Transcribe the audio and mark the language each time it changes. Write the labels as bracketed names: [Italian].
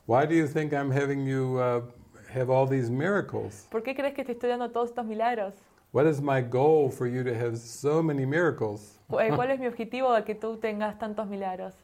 [English] Why do you think I'm having you have all these miracles? [Spanish] ¿Por qué crees que te estoy dando todos estos milagros? [English] What is my goal for you to have so many miracles? [Spanish] ¿Cuál es mi objetivo de que tú tengas tantos milagros?